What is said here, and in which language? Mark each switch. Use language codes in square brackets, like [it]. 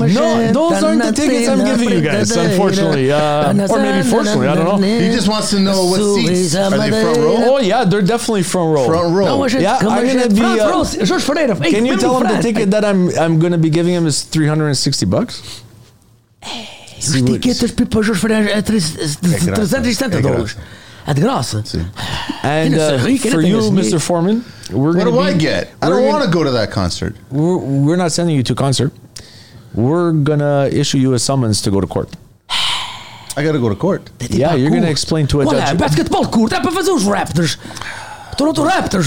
[en] no, those aren't the tickets I'm giving you guys. Unfortunately, or maybe fortunately, I don't know. He just wants to know what seats are they front row. Oh yeah, they're definitely front row. Front row. Yeah, I'm gonna be George Freire. Can you tell him the ticket that I'm going to be giving him is $360. [pt] Hey, os tiquetes para o Jorge Freire é $370. É de graça. [en] And for you, Mr. Foreman, I don't want to go to that concert. We're not sending you to concert. We're going to issue you a summons to go to court. I got to go to court. Yeah, you're going to explain to a judge. Well, basketball court. [pt] É para fazer os Raptors. Toronto Raptors.